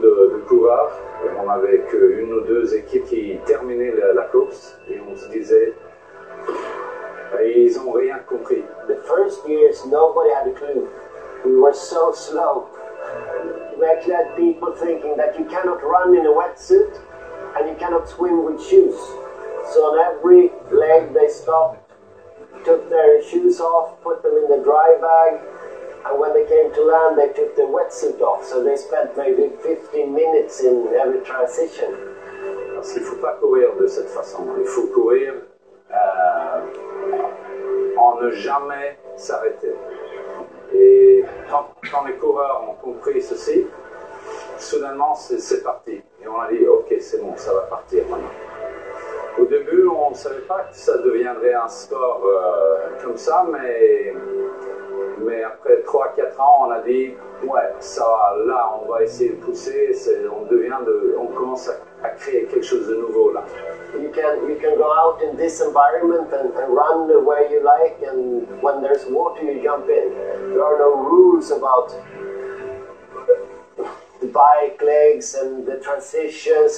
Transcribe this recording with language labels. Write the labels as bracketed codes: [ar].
[fr] de pouvoir. Et on n'avait qu'une ou deux équipes qui terminaient la course. Et on se disait, ils n'ont rien compris. [en] The first years, nobody had a clue. We were so slow. We actually had people thinking that you cannot run in a wetsuit and you cannot swim with shoes. So on every leg they stopped, took their shoes off, put them in the dry bag, and when they came to land, they took their wetsuit off. So they spent maybe 15 minutes in every transition. [fr] Parce qu'il ne faut pas courir de cette façon. Il faut courir en ne jamais s'arrêter. Et quand les coureurs ont compris ceci, soudainement c'est parti. Et on a dit, ok, c'est bon, ça va partir maintenant. Au début, on ne savait pas que ça deviendrait un sport comme ça, mais après 3-4 ans, on a dit, ouais, ça va, là, on va essayer de pousser, on commence à créer quelque chose de nouveau là. [en] You can go out in this environment and run the way you like, and when there's water, you jump in. There are no rules about the bike legs and the transitions.